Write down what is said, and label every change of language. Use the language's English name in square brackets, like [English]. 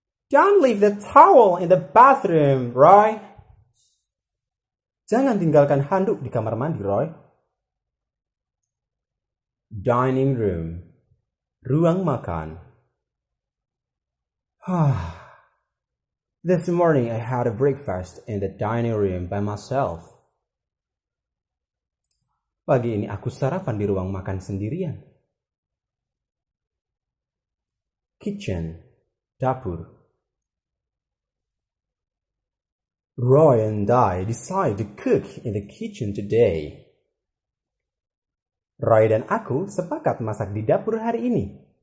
[English] Don't leave the towel in the bathroom, Roy. [Indonesian] Jangan tinggalkan handuk di kamar mandi, Roy. [English] Dining room. [Indonesian] Ruang makan. [English] This morning I had a breakfast in the dining room by myself. [Indonesian] Pagi ini aku sarapan di ruang makan sendirian. [English] Kitchen, [Indonesian] dapur. [English] Roy and I decide to cook in the kitchen today. [Indonesian] Roy dan aku sepakat masak di dapur hari ini.